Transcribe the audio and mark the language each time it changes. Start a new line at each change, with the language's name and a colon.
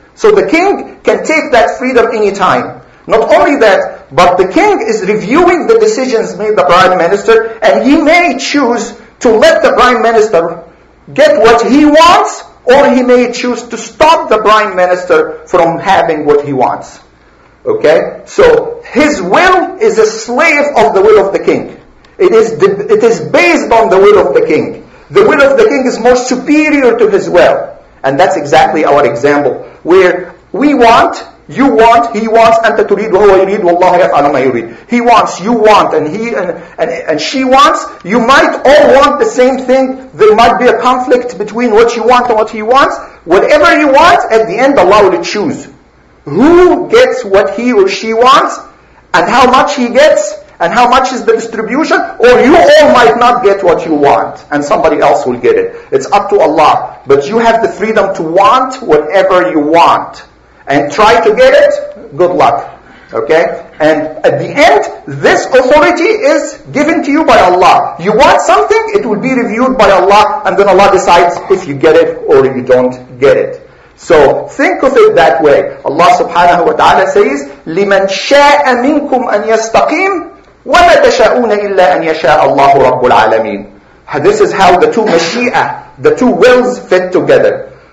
English: So the king can take that freedom anytime. Not only that, but the king is reviewing the decisions made by the prime minister, and he may choose to let the prime minister get what he wants, or he may choose to stop the prime minister from having what he wants. Okay? So his will is a slave of the will of the king. It is based on the will of the king. The will of the king is more superior to his will. And that's exactly our example. Where we want, you want, he wants,
Arabic: أَنْتَ تُرِيدُ وَهُوَ يُرِيدُ وَاللَّهُ يَفْعَلُ مَا يُرِيدُ.
English: He wants, you want, and she wants. You might all want the same thing. There might be a conflict between what you want and what he wants. Whatever you want, at the end Allah will choose. Who gets what he or she wants, and how much he gets, and how much is the distribution, or you all might not get what you want, and somebody else will get it. It's up to Allah. But you have the freedom to want whatever you want. And try to get it, good luck. Okay? And at the end, this authority is given to you by Allah. You want something, it will be reviewed by Allah, and then Allah decides if you get it or you don't get it. So, think of it that way. Allah subhanahu wa ta'ala says,
Arabic: لِمَنْ شَاءَ مِنْكُمْ أَنْ يَسْتَقِيمُ وَمَا تَشَاءُونَ إِلَّا أَنْ يَشَاءَ اللَّهُ رَبُّ الْعَالَمِينَ.
English: This is how the two mashi'ah, the two wills fit together.